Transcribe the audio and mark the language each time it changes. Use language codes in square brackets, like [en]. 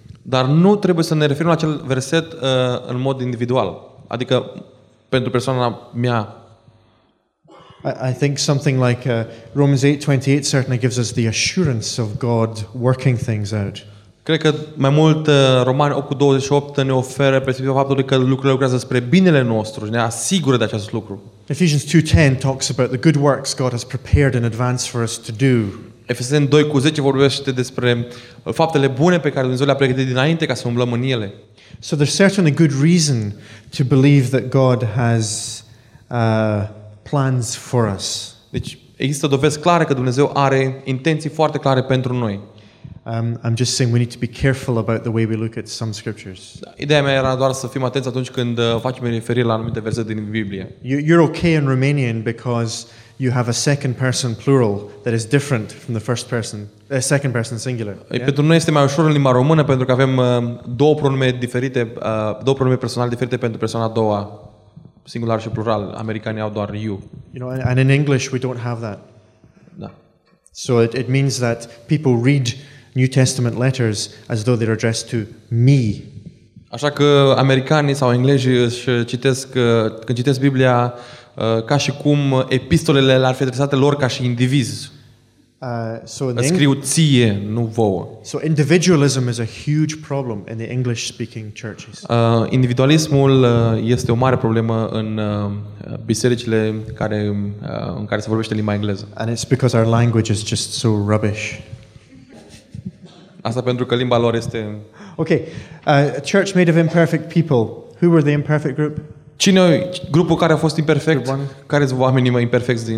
[ro] Dar nu trebuie să ne referim la acel verset în mod individual, adică pentru persoana mea. [en] I think something like Romans 8:28 certainly gives us the assurance of God working things out. [ro] Cred că mai mult Romani 8:28 ne oferă perspectiva faptului că lucrurile lucrează spre binele nostru și ne asigură de acest lucru. [en] Ephesians 2:10 talks about the good works God has prepared in advance for us to do. [ro] Efeseni 2:10 vorbește despre faptele bune pe care Dumnezeu le-a pregătit dinainte ca să umblăm în ele. [en] So there's certainly good reason to believe that God has plans for us. [ro] Deci există dovezi clare că Dumnezeu are intenții foarte clare pentru noi. [en] I'm just saying we need to be careful about the way we look at some scriptures. [ro] Ideea mea era doar să fim atenți atunci când facem referire la anumite versete din Biblie. [en] You're okay in Romanian because you have a second person plural that is different from the first person, a second person singular. [ro] Pentru noi este mai ușor în limba română pentru că avem două pronume diferite, două pronume personale diferite pentru persoana a doua. Singular și plural. Americanii au doar you. [en] You know, and in English we don't have that. No. So it means that people read New Testament letters as though they're addressed to me. [ro] Așa că americanii sau englezii își citesc când citesc Biblia ca și cum epistolele le-ar fi adresate lor ca și indivizi. Scriu ție, nu vouă. [en] So individualism is a huge problem in the English speaking churches. [ro] Individualismul este o mare problemă în bisericile care în care se vorbește limba engleză. [en] And it's because our language is just so rubbish. [ro] Asta pentru că limba lor este. [en] Okay. A church made of imperfect people. Who were the imperfect group? [ro] Cine grupul care a fost imperfect? Care sunt oamenii mai imperfecți din?